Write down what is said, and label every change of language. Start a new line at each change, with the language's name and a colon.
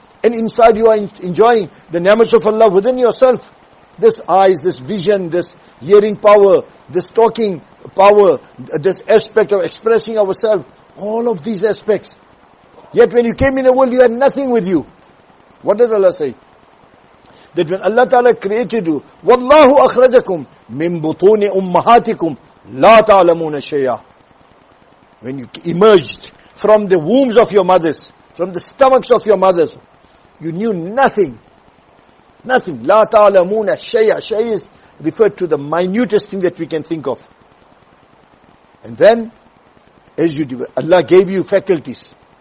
English: And inside you are enjoying the ni'mats of Allah within yourself. This eyes, this vision, this hearing power, this talking power, this aspect of expressing ourselves. All of these aspects. Yet when you came in the world, you had nothing with you. What does Allah say? That when Allah Ta'ala created you,
Arabic: وَاللَّهُ أَخْرَجَكُمْ مِنْ بُطُونِ أُمَّهَاتِكُمْ لَا تَعْلَمُونَ شَيَّا.
English: When you emerged from the wombs of your mothers, from the stomachs of your mothers, you knew nothing. Nothing.
Arabic: لَا تَعْلَمُونَ شَيَّا.
English: Shay is referred to the minutest thing that we can think of. And then, as you develop, Allah gave you faculties.